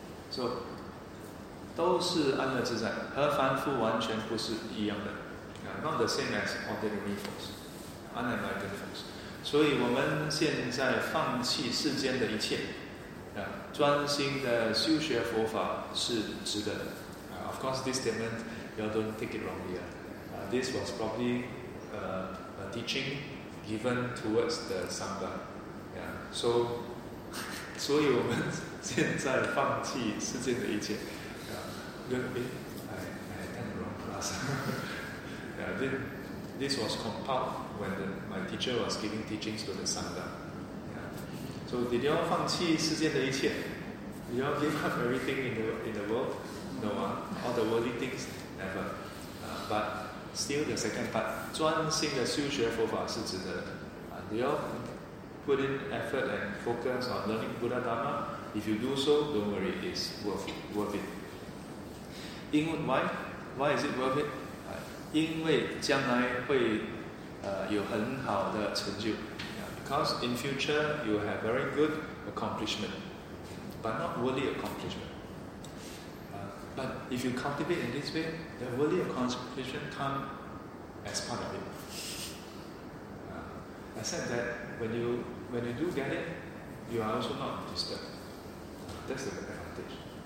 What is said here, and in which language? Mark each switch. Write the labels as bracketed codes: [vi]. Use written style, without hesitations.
[zh] so, 都是安乐自在，和凡夫完全不是一样的。 [en] Not the same as ordinary folks, unenlightened folks. [zh] 所以我们现在放弃世间的一切，专心的修学佛法是值得的。 [en] Of course, this statement, you don't take it wrongly. This was probably a teaching given towards the Sangha. [zh] So 以我们现在放弃世间的一切。 [en] I attend the wrong class. this was compiled when my teacher was giving teachings to the Sangha. So did you all [zh] 放弃世间的一切? [en] Did you all give up everything in the world? No, all the worldly things, never. But still the second part, [zh] 专心的修学佛法是值得的。 [en] Did you all put in effort and focus on learning Buddha Dharma? If you do so, don't worry, it's worth it. 因为 why is it worth it? [zh] 因为将来会有很好的成就。 [en] Because in future you will have very good accomplishment, but not worldly accomplishment. But if you cultivate in this way, the worldly accomplishment come as part of it. Except that when you do get it, you are also not disturbed. That's the advantage.